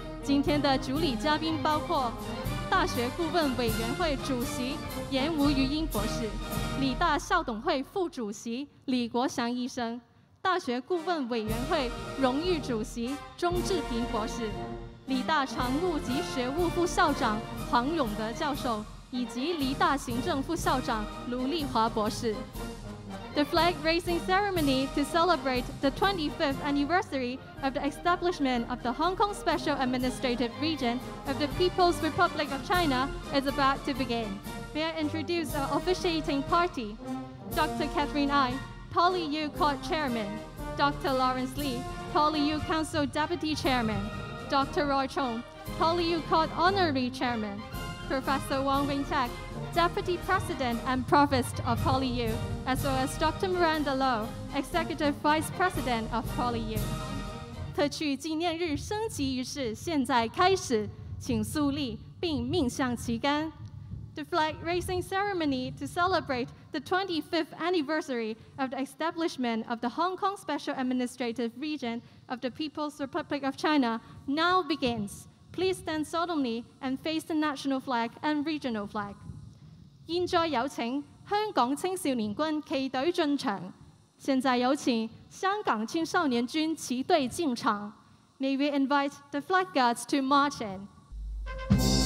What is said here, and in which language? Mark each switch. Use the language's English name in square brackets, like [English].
[Chinese] 今天的主礼嘉宾包括大学顾问委员会主席严吴余英博士、理大校董会副主席李国祥医生、大学顾问委员会荣誉主席钟志平博士、理大常务及学务副校长黄永德教授，以及理大行政副校长卢丽华博士。 [English] The flag raising ceremony to celebrate the 25th anniversary of the establishment of the Hong Kong Special Administrative Region of the People's Republic of China is about to begin. May I introduce our officiating party? Dr. Catherine Ai, PolyU Court Chairman. Dr. Lawrence Lee, PolyU Council Deputy Chairman. Dr. Roy Chong, PolyU Court Honorary Chairman. Professor Wang Wing-Tek, Deputy President and Provost of PolyU, as well as Dr. Miranda Low, Executive Vice President of PolyU. [Chinese] 特区纪念日升旗仪式现在开始，请肃立并命向旗杆。 [English] The flag raising ceremony to celebrate the 25th anniversary of the establishment of the Hong Kong Special Administrative Region of the People's Republic of China now begins. Please stand solemnly and face the national flag and regional flag. [Chinese] 現在有請香港青少年軍旗隊進場。現在有請香港青少年軍旗隊進場。 [English] May we invite the flag guards to march in.